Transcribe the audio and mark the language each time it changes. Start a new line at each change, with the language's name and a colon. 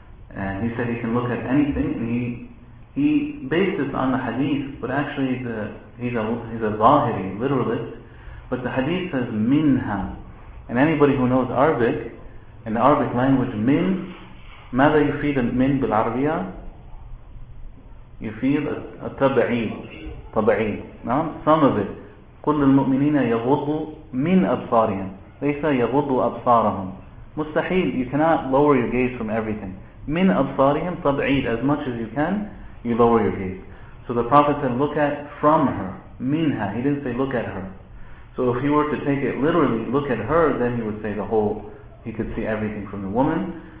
English: And he said he can look at anything, and he based this on the hadith, but actually he's a Zahiri, literalist, but the hadith says minha. And anybody who knows Arabic, in the Arabic language, min,
Arabic: ماذا يفيد من بالعربية؟ يفيد التبعين طبعين نعم؟
English: some of it.
Arabic: قل للمؤمنين يغضوا من أبصارهم ليس يغضوا أبصارهم. مستحيل,
English: you cannot lower your gaze from everything.
Arabic: من أبصارهم طبعين,
English: as much as you can, you lower your gaze. So the Prophet said, look at from her, منها. He didn't say look at her. So if he were to take it literally, look at her, then he would say the whole, he could see everything from the woman.